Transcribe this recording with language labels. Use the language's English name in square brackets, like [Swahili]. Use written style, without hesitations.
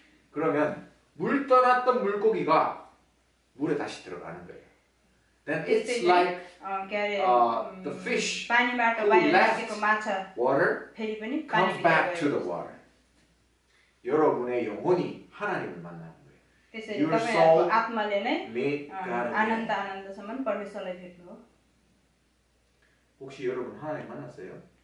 [Korean] 그러면 물 떠났던 물고기가 물에 다시 들어가는 거예요. [English] Then it's like the fish who left water comes back to the water. [Korean] 여러분의 영혼이 하나님을 만나요. [English] Your soul meet God again. [Korean] 혹시 여러분 하나님 만났어요?